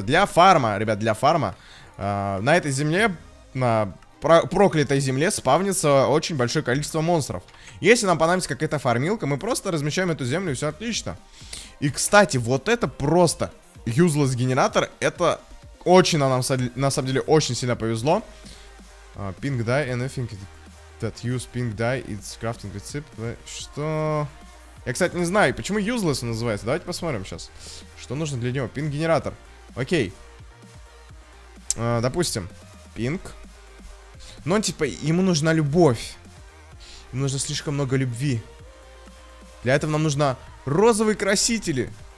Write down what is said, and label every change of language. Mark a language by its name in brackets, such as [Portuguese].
[Russian] Для фарма, ребят, для фарма. На этой земле, на проклятой земле, спавнится очень большое количество монстров. Если нам понадобится какая-то фармилка, мы просто размещаем эту землю, и все отлично. И, кстати, вот это просто useless генератор. Это очень, на самом деле, очень сильно повезло. [English] Pink dye, anything that use pink dye, it's crafting recipe. [Russian] Что... я, кстати, не знаю, почему useless он называется. Давайте посмотрим сейчас, что нужно для него. Пинг-генератор. Окей. Допустим, пинг. Но, типа, ему нужна любовь. Ему нужно слишком много любви. Для этого нам нужно розовые красители.